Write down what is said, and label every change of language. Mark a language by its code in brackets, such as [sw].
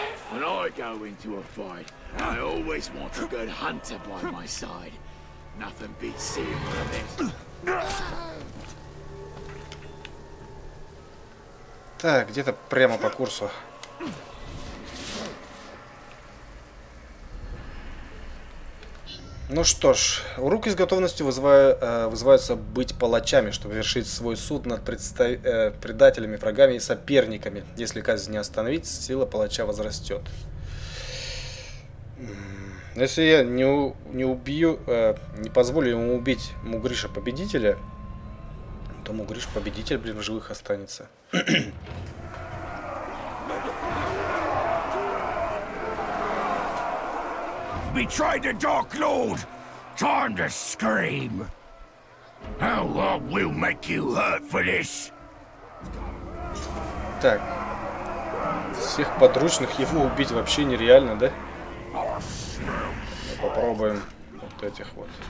[en] When I go into a fight, I always want a good hunter by my side. Nothing beats seeing one of them. [ru] Так, где-то прямо по курсу. Ну что ж, урук из готовности вызываются быть палачами, чтобы вершить свой суд над предателями, врагами и соперниками. Если казнь не остановить, сила палача возрастет. Если я не позволю ему убить Мугриша победителя, то Мугриш победитель, блин, в живых останется. [en] Betray the Dark Lord! Time to scream! How long will make you hurt for this? [ru] Так. Всех подручных его убить вообще нереально, да? Попробуем. вот этих вот.